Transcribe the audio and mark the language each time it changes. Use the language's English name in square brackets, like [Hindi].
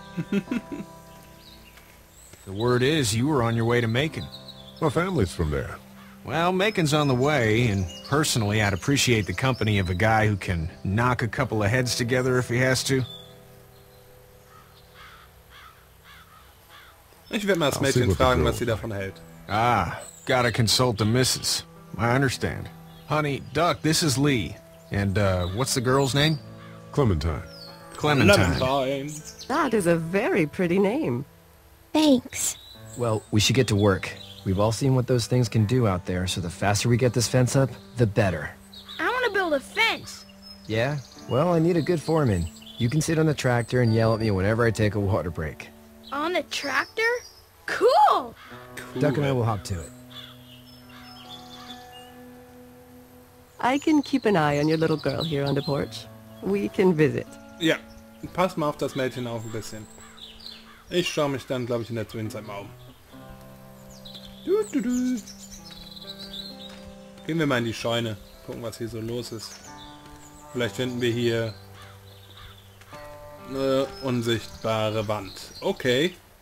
[English] The word is, you were on your way to Macon. My family's from there. Well, Macon's on the way, and personally, I'd appreciate the company of a guy who can knock a couple of heads together if he has to. [German] Ich werde mal das Mädchen fragen, was sie davon hält. [English] Ah, gotta consult the missus. I understand. Honey, Duck, this is Lee. And, what's the girl's name? Clementine. Clementine. That is a very pretty name. Thanks. Well, we should get to work. We've all seen what those things can do out there, so the faster we get this fence up, the better. I want to build a fence. Yeah? Well, I need a good foreman. You can sit on the tractor and yell at me whenever I take a water break. On the tractor? Cool! Duck and I will hop to it. I can keep an eye on your little girl here on the porch. We can visit. [German] Ja, pass mal auf das Mädchen auf ein bisschen. Ich schaue mich dann, glaube ich, in der Zwischenzeit mal um. Gehen wir mal in die Scheune, gucken, was hier so los ist. Vielleicht finden wir hier eine unsichtbare Wand. Okay.